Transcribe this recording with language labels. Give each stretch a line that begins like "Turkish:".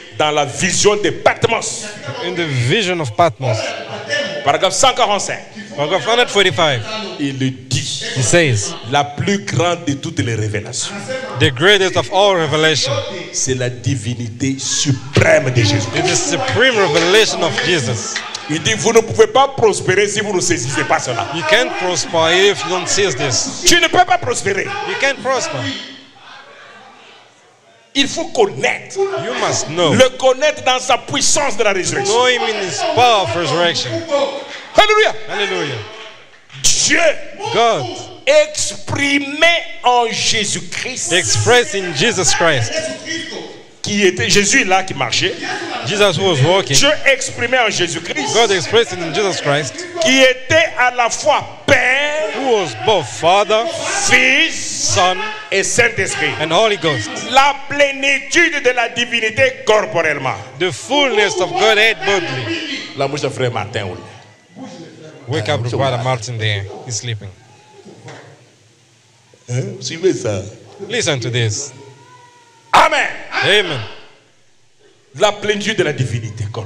French: dans la vision de Patmos,
English: in the vision of Patmos,
French: paragraphe 145,
English: paragraph 145,
French: il le dit,
English: he says,
French: la plus grande de toutes les révélations,
English: the greatest of all revelation,
French: c'est la divinité suprême de Jésus.
English: It's the supreme revelation of Jesus.
French: Il dit, vous ne pouvez pas prospérer si vous ne saisissez pas cela.
English: You can't prosper if you don't seize this.
French: Tu ne peux pas prospérer.
English: You can't prosper.
French: Il faut connaître.
English: You must know.
French: Le connaître dans sa puissance de la résurrection.
English: Know him in his power of resurrection.
French: Hallelujah.
English: Hallelujah.
French: Dieu.
English: God.
French: Exprimé en Jésus Christ.
English: Expressed in Jesus Christ.
French: Qui était Jésus là qui marchait?
English: Jesus was walking.
French: Dieu exprimé en Jésus Christ.
English: God expressed in Jesus Christ.
French: Qui était à la fois Père,
English: who was both Father,
French: Fils,
English: Son,
French: et Saint Esprit,
English: and Holy Ghost.
French: La plénitude de la divinité corporellement.
English: The fullness of Godhead bodily.
French: La bouche de Frère Martin.
English: Wake up, Brother Martin. There, he's sleeping.
French: Suivez ça.
English: Listen to this.
French: Amen.
English: Amen.
French: La plénitude de la divinité.